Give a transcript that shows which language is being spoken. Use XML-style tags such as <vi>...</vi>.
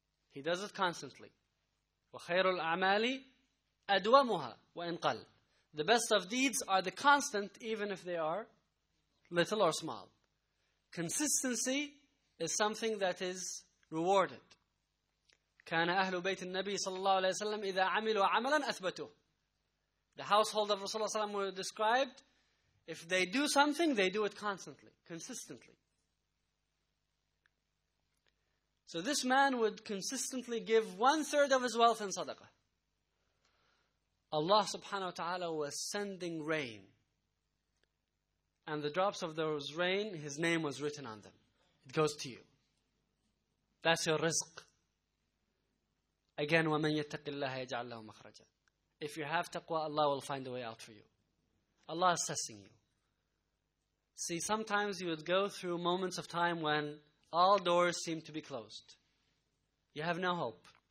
<en>He does it constantly.</en> <ar>وَخَيْرُ الْأَعْمَالِ أَدْوَمُهَا وَإِنْ قَلْ.</ar> <en>The best of deeds are the constant, even if they are little or small. Consistency is something that is rewarded.</en> <ar>كان أهل بيت النبي صلى الله عليه وسلم إذا عملوا عملا أثبتوه.</ar> <en>The household of Rasulullah sallallahu alaihi wasallam were described, if they do something, they do it constantly, consistently. So this man would consistently give one third of his wealth in sadaqah. Allah subhanahu wa ta'ala was sending rain. And the drops of those rain, his name was written on them. It goes to you. That's your rizq.</en> <ar>Again, وَمَنْ يَتَّقِ اللَّهَ يَجْعَلْ لَهُ مَخْرَجًا.</ar> <en>If you have taqwa, Allah will find a way out for you. Allah is assessing you. See, sometimes you would go through moments of time when all doors seem to be closed. You have no hope.</en>